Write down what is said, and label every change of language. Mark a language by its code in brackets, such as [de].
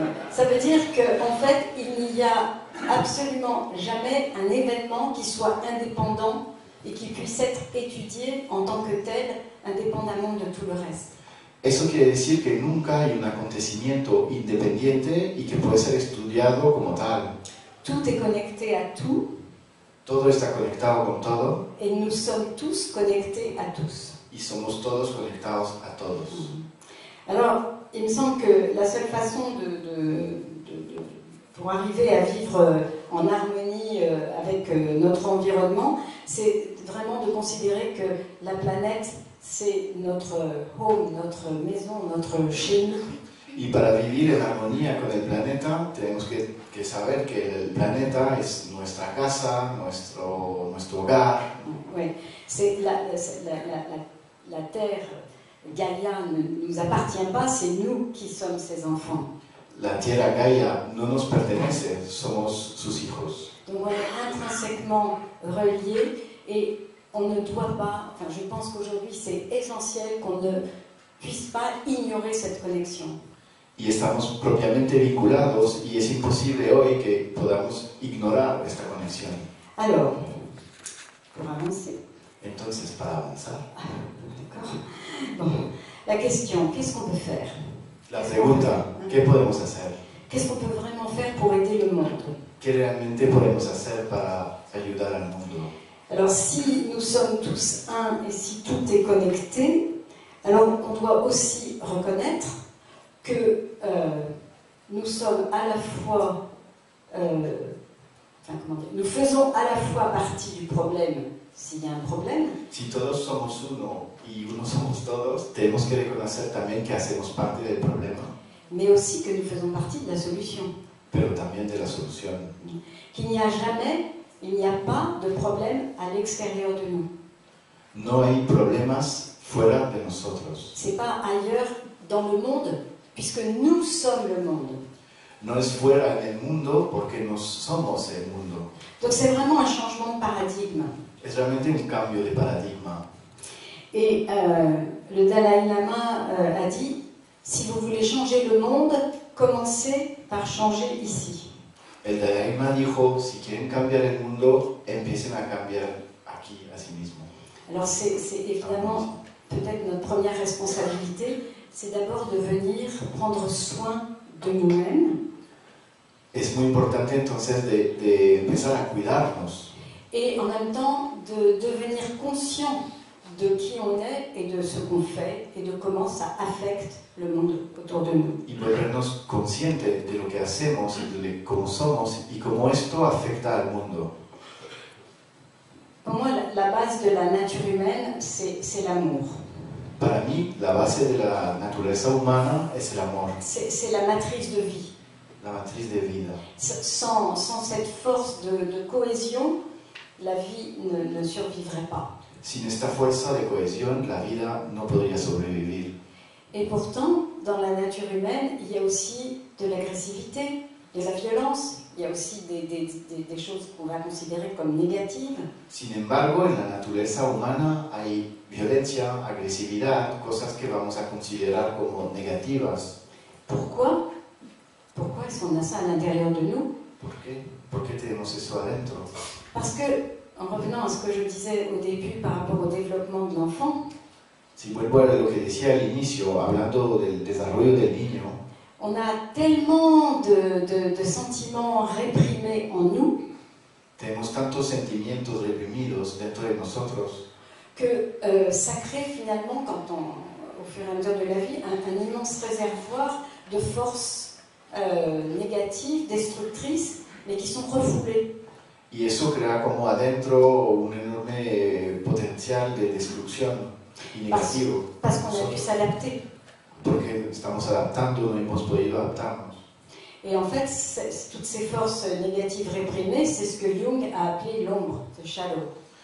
[fr] Ça veut dire qu'en fait, il n'y a absolument jamais un événement qui soit indépendant et qui puisse être étudié en tant que tel, indépendamment de tout le reste. [es] Eso quiere decir que nunca hay un acontecimiento independiente y que puede ser estudiado como tal. [fr] Tout est connecté à tout. [es] Todo está conectado con todo. [fr] Et nous sommes tous connectés à tous. [es] Y somos todos conectados a todos. [fr] Alors, il me semble que la seule façon de pour arriver à vivre en harmonie avec notre environnement, c'est vraiment de considérer que la planète c'est notre home, notre maison, notre chez nous. [es] Y para vivir en armonía con el planeta, tenemos que saber que el planeta es nuestra casa, nuestro hogar. [fr] Oui, c'est la Terre, Gaïa, ne nous appartient pas, c'est nous qui sommes ses enfants. [es] La Tierra Gaia no nos pertenece, somos sus hijos. [fr] Donc on est intrinsèquement reliés et on ne doit pas, enfin je pense qu'aujourd'hui c'est essentiel qu'on ne puisse pas ignorer cette connexion. [es] Y estamos propiamente vinculados y es imposible hoy que podamos ignorar esta conexión. [fr] Alors, pour avancer. [es] Entonces, para avanzar. [fr] D'accord. Bon, la question, qu'est-ce qu'on peut faire? [es] La pregunta, ¿qué podemos hacer? [fr] Qu'est-ce qu'on peut vraiment faire pour aider le monde? [es] ¿Qué realmente podemos hacer para ayudar al mundo? [fr] Alors, si nous sommes tous un et si tout est connecté, alors on doit aussi reconnaître que nous sommes à la fois, nous faisons à la fois partie du problème s'il y a un problème. [es] Si todos somos uno y uno somos todos, tenemos que reconocer también que hacemos parte del problema. [fr] Mais aussi que nous faisons partie de la solution. [es] Pero también de la solución. [fr] Qu'il n'y a jamais, il n'y a pas de problème à l'extérieur de nous. [es] No hay problemas fuera de nosotros. [fr] C'est pas ailleurs dans le monde. Puisque nous sommes le monde. [es] No es fuera del mundo porque nos somos el mundo. [fr] Donc c'est vraiment un changement de paradigme. [es] Es realmente un cambio de paradigma. [fr] Et le Dalai Lama a dit, si vous voulez changer le monde, commencez par changer ici. [es] El Dalai Lama dijo, si quieren cambiar el mundo, empiecen a cambiar aquí a sí mismo. [fr] Alors c'est évidemment peut-être notre première responsabilité. C'est d'abord de venir prendre soin de nous-mêmes. [es] Es muy importante entonces de empezar a cuidarnos. [fr] Et en même temps de devenir conscient de qui on est et de ce qu'on fait et de comment ça affecte le monde autour de nous. [es] Y volvernos conscientes de lo que hacemos y de cómo somos y cómo esto afecta al mundo. [fr] Pour moi, la base de la nature humaine, c'est l'amour. [es] Para mí, la base de la naturaleza humana es el amor. [fr] C'est la matrice de vie. [es] La matriz de vida. [fr] Sans cette force de cohésion, la vie ne survivrait pas. [es] Sin esta fuerza de cohesión, la vida no podría sobrevivir. [fr] Et pourtant, dans la nature humaine, il y a aussi de l'agressivité, de la violence. Il y a aussi des choses qu'on va considérer comme négatives. [es] Sin embargo, en la naturaleza humana hay violencia, agresividad, cosas que vamos a considerar como negativas. [fr] Pourquoi? Pourquoi est-ce qu'on a ça à l'intérieur de nous? [es] ¿Por qué? ¿Por qué tenemos eso adentro? [fr] Parce que, en revenant à ce que je disais au début par rapport au développement de l'enfant, [es] si vuelvo a lo que decía al inicio, hablando del desarrollo del niño, [fr] on a tellement de sentiments réprimés en nous. [es] Tenemos tantos sentimientos reprimidos dentro de nosotros. [fr] Que ça crée finalement, quand on, au fur et à mesure de la vie, un immense réservoir de forces négatives, destructrices, mais qui sont refoulées. [es] Y eso crea como adentro un enorme potencial de destrucción y negativo. [fr] Parce qu'on a pu s'adapter. [es] Porque estamos adaptando, no hemos podido adaptarnos. [fr] Et en fait, toutes ces forces négatives réprimées, c'est ce que Jung a appelé l'ombre, [en] the shadow.